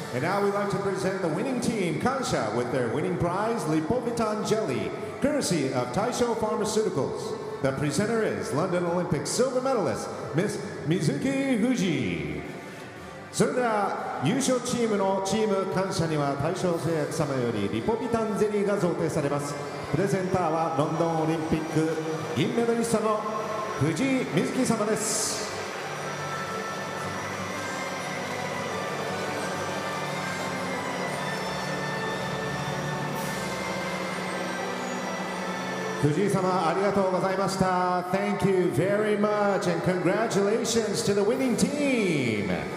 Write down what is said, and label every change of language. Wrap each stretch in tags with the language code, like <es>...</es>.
<en>And now we'd like to present the winning team, Kansha, with their winning prize, Lipovitan Jelly, courtesy of Taisho Pharmaceuticals. The presenter is London Olympic silver medalist, Miss Mizuki Fuji.</en> <ja>それでは優勝チームのチーム感謝には大正製薬様よりリポビタンゼリーが贈呈されます。プレゼンターはロンドンオリンピック銀メダリストの藤井瑞希様です。藤井様ありがとうございました。</ja> <en>Thank you very much and congratulations to the winning team。</en>